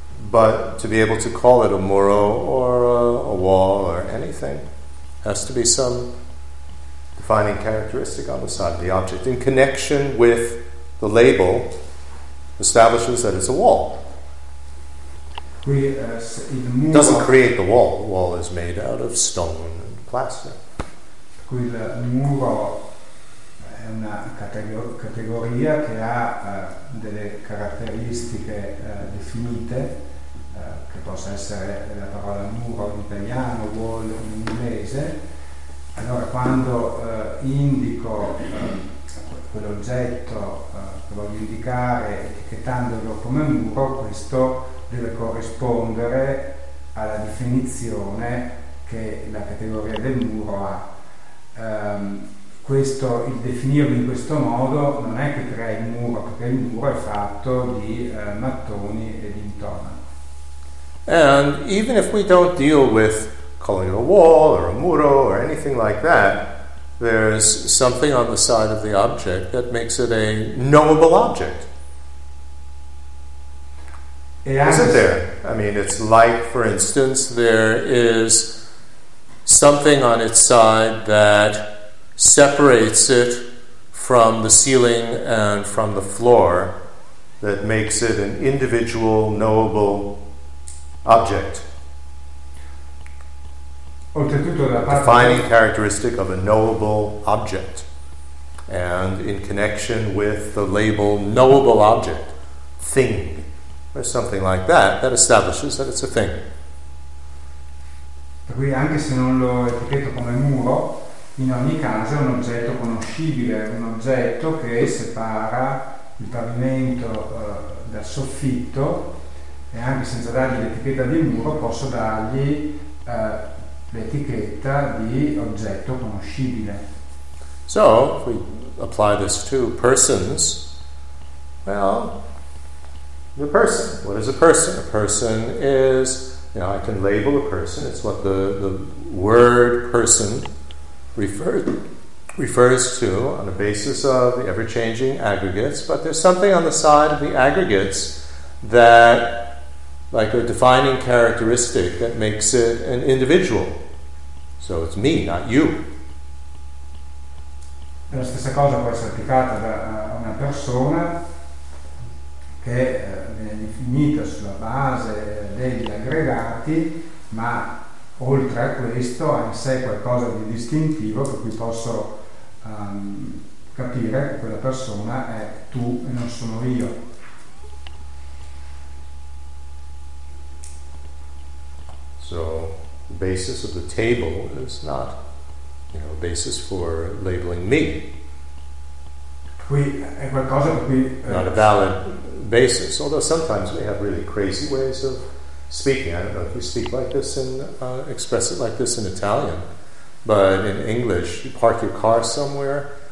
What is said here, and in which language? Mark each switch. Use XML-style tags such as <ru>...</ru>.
<en>But to be able to call it a muro or a wall or anything, has to be some defining characteristic on the side of the object in connection with the label establishes that it's a wall.</en> <it>Il muro</it> <en>doesn't create the wall. The wall is made out of stone and plaster.</en> <it>Il muro è una categoria che ha delle caratteristiche definite, che possa essere la parola muro in italiano, wall in inglese. Allora, quando indico quell'oggetto che voglio indicare etichettandolo come muro, questo deve corrispondere alla definizione che la categoria del muro ha. Questo, il definirlo in questo modo non è che crea il muro, perché il muro è fatto di mattoni e di intonaco.</it> <en>And even if we don't deal with calling it a wall or a muro or anything like that, there's something on the side of the object that makes it a knowable object. Isn't there? I mean, it's light, for instance. There is something on its side that separates it from the ceiling and from the floor that makes it an individual, knowable object.</en> <it>Oltretutto, da parte</it> <en>defining characteristic of a knowable object, and in connection with the label knowable object, thing, or something like that, that establishes that it's a thing.</en> <it>Per cui anche se non lo etichetto come muro, in ogni caso è un oggetto conoscibile, un oggetto che separa il pavimento dal soffitto, e anche senza dargli l'etichetta di muro posso dargli l'etichetta di oggetto conoscibile.</it> <en>So, if we apply this to persons, well, the person, what is a person? A person is, you know, I can label a person, it's what the word person refers to on the basis of the ever-changing aggregates, but there's something on the side of the aggregates that, like a defining characteristic that makes it an individual. So it's me, not you.</en> <it>La stessa cosa può essere applicata da una persona che viene definita sulla base degli aggregati, ma oltre a questo ha in sé qualcosa di distintivo per cui posso capire che quella persona è tu e non sono io.</it> <en>So, the basis of the table is not, you know, a basis for labeling me.</en> <it>Qui è qualcosa per cui,</it> <en>not a valid basis, although sometimes we have really crazy ways of speaking. I don't know if you speak like this and express it like this in Italian, but in English, you park your car somewhere.</en>